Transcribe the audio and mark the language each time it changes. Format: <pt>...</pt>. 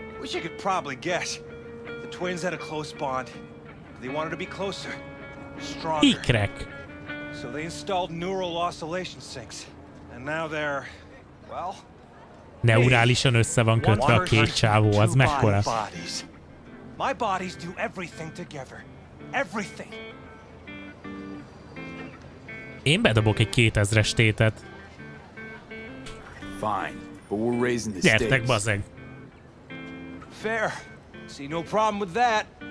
<en>Wish I could probably guess. The twins had a close bond. They wanted to be closer. Stronger.</en> <hu>Ikrek.</hu> <en>So they installed neural oscillation sinks. And now they're... Well...</en> <hu>Neurálisan össze van kötve a két csávó, az mekkora?</hu> <en>My bodies do everything together. Everything.</en> <hu>Én bedobok egy 2000-es tétet.</hu> <en>Fine, but we're raising the stakes.</en> <hu>Gyertek, bazeg.</hu> <en>Fair. See no problem with that.</en>